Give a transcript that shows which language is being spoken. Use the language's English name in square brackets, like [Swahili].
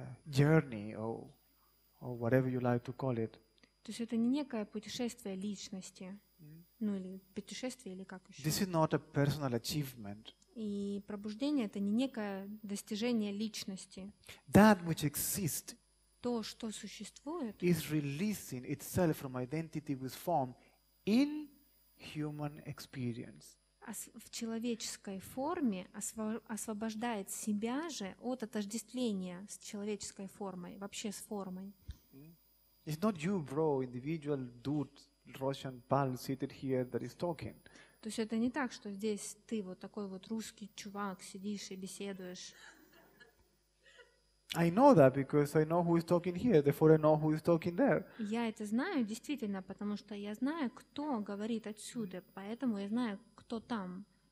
[English] Journey or whatever you like to call it. [Russian] То есть это не некое путешествие личности, ну или путешествие или как еще. [English] This is not a personal achievement. [Russian] И пробуждение — это не некое достижение личности. [English] That which exists. [Russian] То, что существует. [English] Is releasing itself from identity with form in human experience. [Russian] В человеческой форме освобождает себя же от отождествления с человеческой формой, вообще с формой. [English] It's not you, bro, individual dude. Russian pal seated here that is talking. [Russian] То есть это не так, что здесь ты вот такой вот русский чувак сидишь и беседуешь. [English] I know that because I know who is talking here, therefore I know who is talking there. [Russian] Я это знаю действительно, потому что я знаю, кто говорит отсюда, поэтому я знаю, кто там.